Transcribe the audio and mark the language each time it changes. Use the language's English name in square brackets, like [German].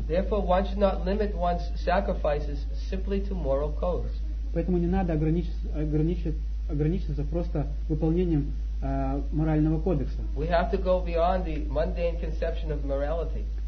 [English] Therefore, one should not limit one's sacrifices simply to moral codes. [Russian] Поэтому не надо ограничиться просто выполнением морального кодекса. [English] We have to go beyond the mundane conception of morality.